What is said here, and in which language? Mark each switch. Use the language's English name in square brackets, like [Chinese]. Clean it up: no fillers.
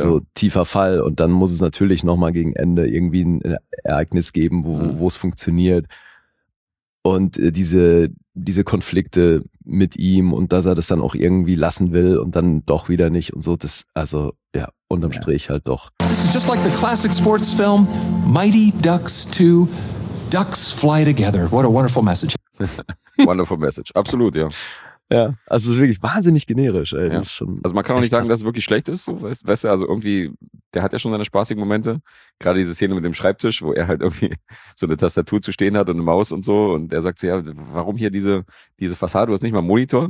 [German] Irgendwie so tiefer Fall und dann muss es natürlich nochmal gegen Ende irgendwie ein Ereignis geben, wo es funktioniert. Und diese Konflikte mit ihm und dass er das dann auch irgendwie lassen will und dann doch wieder nicht und so, das, also, ja, unterm Strich halt doch. [English] This is just like the classic sports film Mighty Ducks 2. Ducks fly together. What a wonderful message. Wonderful message. [German] Absolut, ja. Ja, also es ist wirklich wahnsinnig generisch. Ey. Ja. Das ist schon, also man kann auch nicht sagen, dass es wirklich schlecht ist. So, weißt du, also irgendwie, der hat ja schon seine spaßigen Momente. Gerade diese Szene mit dem Schreibtisch, wo er halt irgendwie so eine Tastatur zu stehen hat und eine Maus und so. Und er sagt so, ja, warum hier diese Fassade? Du hast nicht mal einen Monitor.